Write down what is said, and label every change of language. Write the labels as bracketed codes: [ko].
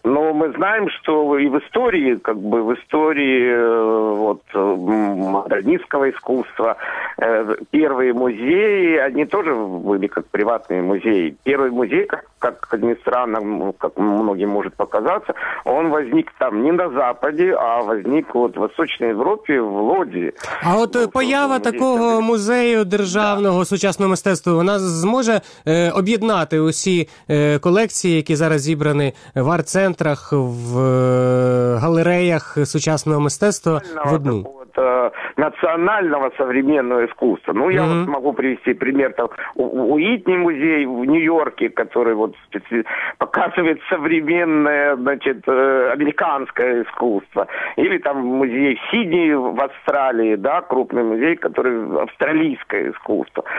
[ru] Но мы знаем, что и в истории, как бы в истории вот, модернистского искусства, первые музеи, они тоже были как приватные музеи. Первый музей, как ни странно, как многим может показаться, он возник там не на Западе, а возник вот в Восточной Европе, в Лодзи. [uk] А от ну, поява такого музею державного сучасного мистецтва, вона зможе об'єднати усі колекції, які зараз зібрані в арт-центрах, в галереях сучасного мистецтва в одну? [ru] Национального современного искусства. Ну, я вот могу привести пример. Там, Уитни музей в Нью-Йорке, который вот показывает современное, значит, американское искусство. Или там музей Сидней в Австралии, да, крупный музей, который австралийское искусство.